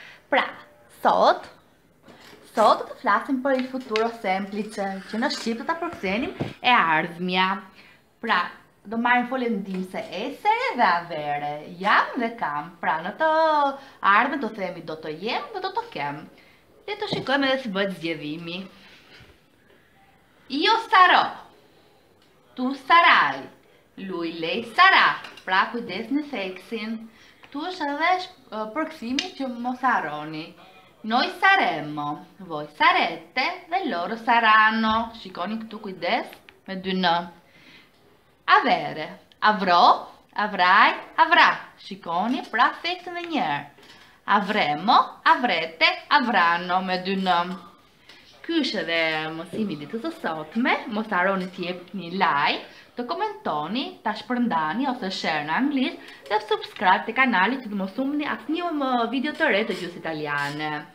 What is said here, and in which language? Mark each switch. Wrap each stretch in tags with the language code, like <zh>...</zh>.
<sq>Pra, sot do të flasim për</sq> <it>il futuro semplice,</it> <sq>që në Shqip do të përkthenim e ardhmja. Pra, do marrim foljen tim se esere dhe avere, jam dhe kam. Pra, në të ardhme do themi do të jem dhe do të kem. Le të shikojmë edhe si bëhet zgjedhimi.</sq> <it>Io sarò, tu sarai, lui, lei sarà.</it> <sq>Pra kujdes në theksin. Këtu është edhe përkthimi që mos harroni.</sq> <it>Noi saremo, voi sarete dhe loro saranno.</it> <sq>Shikoni këtu kujdes me dy në.</sq> <it>Avere, avrò, avrai, avrà.</it> <sq>Shikoni pra theksin dhe njerë.</sq> <it>Avremo, avrete, avranno</it> <sq>me dy në. Ky është edhe mësimi ditës së sotme, mos harroni të jepni like, të komentoni, të shpërndani ose share në anglisht dhe subscribe të kanali që të mos humbni asnjë më video të re të gjuhës italiane.</sq>